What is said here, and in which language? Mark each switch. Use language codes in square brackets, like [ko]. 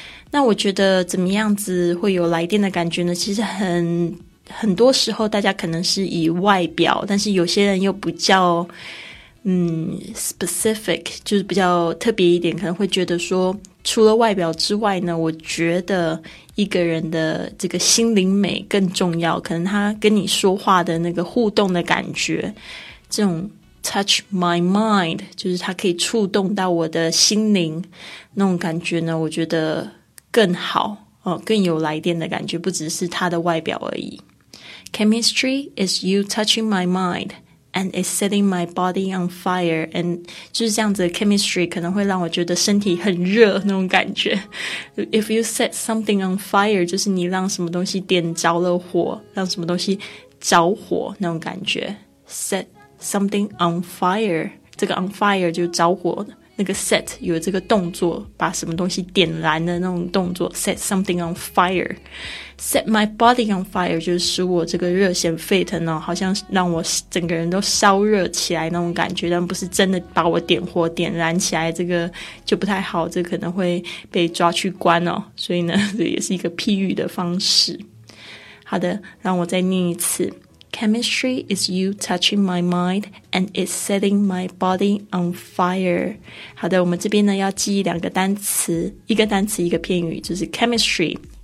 [zh] 那我觉得怎么样子会有来电的感觉呢？其实很多时候大家可能是以外表，但是有些人又比较specific， 就是比较特别一点，可能会觉得说除了外表之外呢，我觉得一个人的这个心灵美更重要，可能他跟你说话的那个互动的感觉，这种 [en] touch my mind， [zh] 就是他可以触动到我的心灵那种感觉呢，我觉得更好、更有来电的感觉，不只是他的外表而已。 [en] Chemistry is you touching my mindAnd it's setting my body on fire. [zh] And 就是这样子的 chemistry 可能会让我觉得身体很热那种感觉。 [en] If you set something on fire, [zh] 就是你让什么东西点着了火，让什么东西着火那种感觉。 [en] Set something on fire. [zh] 这个 on fire 就着火，那个 set 有这个动作，把什么东西点燃的那种动作。 [en] Set something on fire. Set my body on fire [zh] 就是使我这个热血沸腾哦，好像让我整个人都烧热起来那种感觉，但不是真的把我点火点燃起来，这个就不太好，这个、可能会被抓去关哦。所以呢，这也是一个譬喻的方式。好的，让我再念一次 ： [en] Chemistry is you touching my mind and it's setting my body on fire。 [zh] 好的，我们这边呢要记忆两个单词，一个单词一个片语，就是 chemistry。